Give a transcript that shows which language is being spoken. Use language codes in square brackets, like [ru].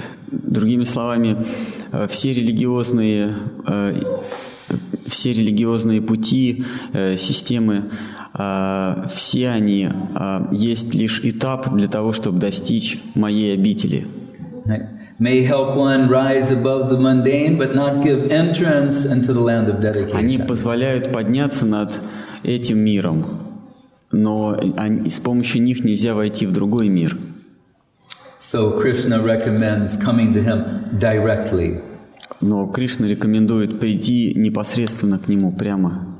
[ru] Другими словами, все религиозные пути, системы, все они есть лишь этап для того, чтобы достичь моей обители. [en] May help one rise above the mundane, but not give entrance into the land of dedication. [ru] Они позволяют подняться над этим миром, но с помощью них нельзя войти в другой мир. [en] So Krishna recommends coming to him directly. [ru] Но Кришна рекомендует прийти непосредственно к нему прямо.